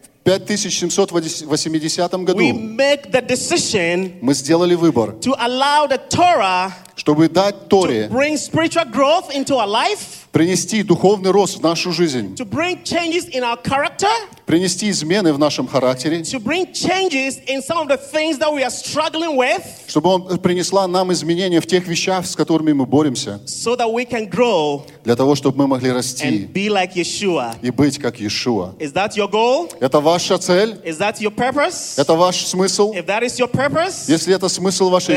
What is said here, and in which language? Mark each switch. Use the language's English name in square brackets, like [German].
[Russian] В 5780 году. [English] We make the decision. [Russian] Мы сделали выбор. [English] To allow the Torah. [Russian] Чтобы дать Торе. [English] To bring spiritual growth into our life. [Russian] Принести духовный рост в нашу жизнь. [English] To bring changes in our character. [Russian] Принести измены в нашем характере. [English] To bring changes in some of the things that we are struggling with. [Russian] Чтобы он принесла нам изменения в тех вещах, с которыми мы боремся. [English] So that we can grow. [Russian] Для того, чтобы мы могли расти. [English] And be like Yeshua. [Russian] И быть как Иешуа. [English] Is that your goal? [Russian] Это ваша цель? [English] Is that your purpose? [Russian] Это ваш смысл? [English] If that is your purpose, [Russian] если это смысл вашей